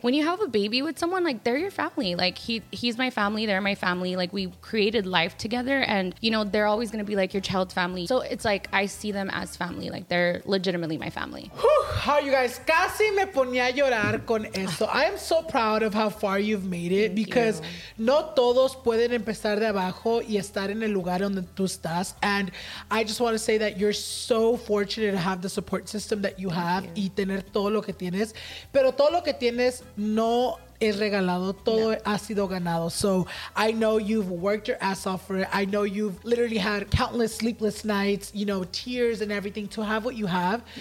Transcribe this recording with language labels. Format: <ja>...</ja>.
<en>When you have a baby with someone, like, they're your family. Like, he's my family, they're my family. Like, we created life together, and, you know, they're always going to be, like, your child's family. So it's like, I see them as family. Like, they're legitimately my family.</en> <es>Whew,</es> <en>how you guys,</en> <es>casi me ponía a llorar con esto.</es> <en>I am so proud of how far you've made it. Thank you.</en> <es>No todos pueden empezar de abajo y estar en el lugar donde tú estás.</es> <en>And I just want to say that you're so fortunate to have the support system that you have. Thank you.</en> <es>Y tener todo lo que tienes, pero todo lo que tienes no es regalado, todo ha sido ganado.</es> <en>So I know you've worked your ass off for it. I know you've literally had countless sleepless nights, you know, tears and everything to have what you have.</en>